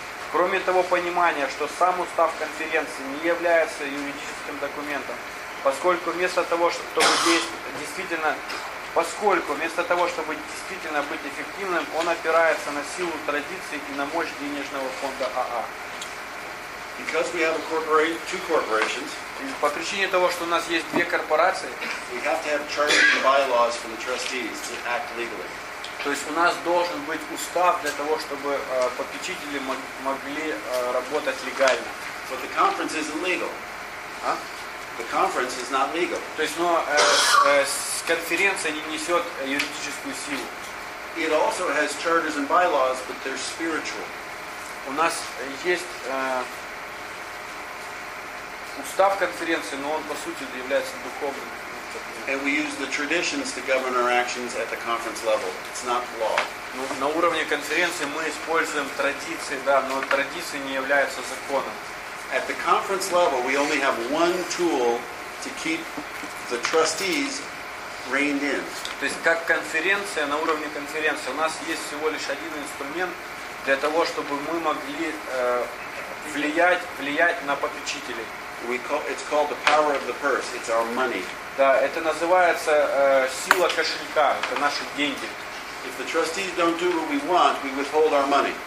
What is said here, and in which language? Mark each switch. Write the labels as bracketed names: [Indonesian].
[Russian] Кроме того, понимание, что сам устав конференции не является юридическим документом, поскольку вместо того, чтобы действительно быть эффективным, он опирается на силу традиций и на мощь денежного фонда АА. [English] Because we have two corporations, [Russian] по причине того, что у нас есть две корпорации, [English] we have to have charters and bylaws for the trustees to act legally. [Russian] То есть у нас должен быть устав для того, чтобы попечители могли работать легально. [English] But the conference isn't legal. The conference is not legal. [Russian] То есть, но конференция не несет юридическую силу. [English] It also has charters and bylaws, but they're spiritual. [Russian] У нас есть устав конференции, но он по сути является духовным. [English] And we use the traditions to govern our actions at the conference level. It's not law. [Russian] Ну, на уровне конференции мы используем традиции, да, но традиции не являются законом. [English] At the conference level, we only have one tool to keep the trustees reined in. [Russian] То есть как конференция, на уровне конференции у нас есть всего лишь один инструмент для того, чтобы мы могли влиять на попечителей. [English] It's called the power of the purse. It's our money. [Russian] Да, это называется сила кошелька. Это наши деньги. [English] If the trustees don't do what we want, we withhold our money.